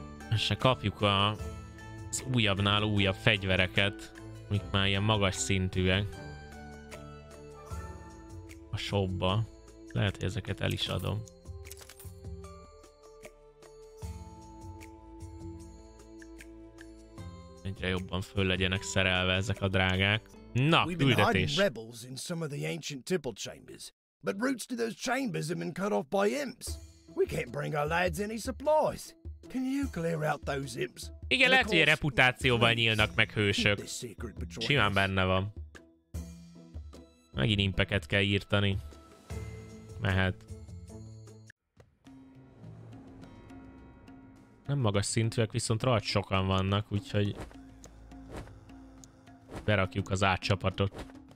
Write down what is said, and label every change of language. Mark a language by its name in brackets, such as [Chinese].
[Hungarian] És kapjuk az újabbnál újabb fegyvereket, amik már ilyen magas szintűek. A shopba. Lehet, hogy ezeket el is adom. Egyre jobban föl legyenek szerelve ezek a drágák. Na, küldetés. [English] In some of the ancient temple chambers, but routes to those chambers have been cut off by imps. We can't bring our lads any supplies. Can you clear out those imps? [Hungarian] Igen, lehet, hogy a reputációban nyílnak meg hősök. Simán benne van. Megint impeket kell írtani. Mehet. Nem magas szintűek, viszont rajt sokan vannak, úgyhogy berakjuk az átcsapatot.